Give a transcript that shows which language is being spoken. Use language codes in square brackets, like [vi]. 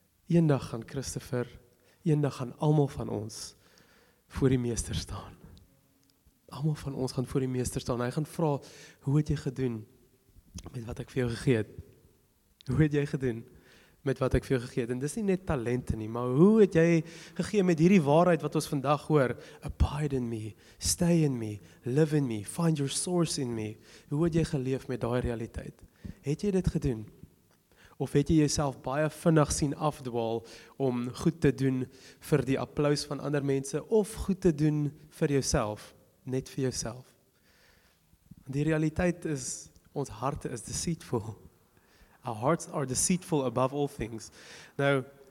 [af] Eendag gaan Christopher, eendag gaan almal van ons voor die meester staan. Almal van ons gaan voor die meester staan. Hy gaan vra, hoe het jy gedoen met wat ek vir jou gegee het? Hoe het jy gedoen met wat ek vir jou gegee het? En dis nie net talente nie, maar hoe het jy gegee met hierdie waarheid wat ons vandag hoor? [en] Abide in me, stay in me, live in me, find your source in me. [af] Hoe het jy geleef met daai realiteit? Het jy dit gedoen? Of het jy jouself baie vinnig sien afdwaal om goed te doen vir die applaus van ander mense, of goed te doen vir jouself, net vir jouself. Die realiteit is, ons harte is [en] deceitful. Our hearts are deceitful above all things. Nou,